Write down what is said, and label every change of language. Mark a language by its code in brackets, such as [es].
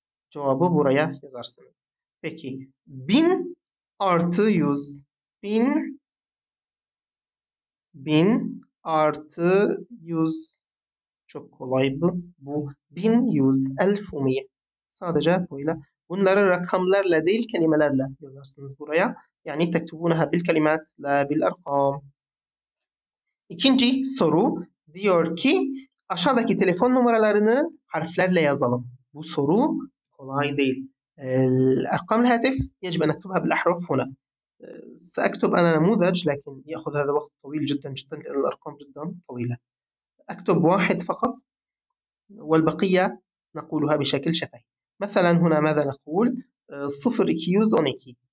[tr] Cevabı buraya yazarsınız. Peki 1000 artı 100 1000 artı 100 çok kolay bu 1100 1100 sadece böyle bunları rakamlarla değil kelimelerle yazarsınız buraya. [ar] يعني تكتبونها بالكلمات لا بالأرقام. [tr] İkinci soru diyor ki aşağıdaki telefon numaralarını harflerle yazalım. Bu soru kolay değil. [ar] الأرقام الهاتف يجب أن أكتبها بالأحرف هنا. سأكتب أنا نموذج لكن يأخذ هذا وقت طويل جدا جدا لأن الأرقام جدا طويلة. أكتب واحد فقط والبقية نقولها بشكل شفهي. مثلا هنا ماذا نقول؟ صفر [tr] كيوز أونيكي.